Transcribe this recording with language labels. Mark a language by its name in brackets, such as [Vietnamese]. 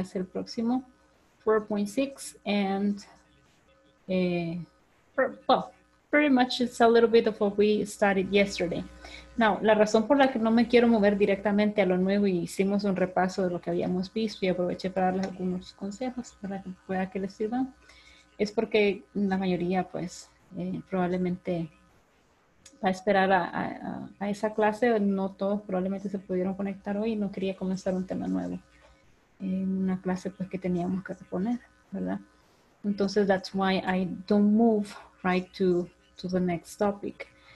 [Spanish] Es el próximo, [English] 4.6, and, well, pretty much it's a little bit of what we studied yesterday. [Spanish] Now, la razón por la que no me quiero mover directamente a lo nuevo y hicimos un repaso de lo que habíamos visto y aproveché para darles algunos consejos para que pueda que les sirvan, es porque la mayoría, pues, probablemente va a esperar a esa clase. No todos probablemente se pudieron conectar hoy y no quería comenzar un tema nuevo. Una clase pues que teníamos que reponer, ¿verdad? [English] Entonces, that's why I don't move right to the next topic.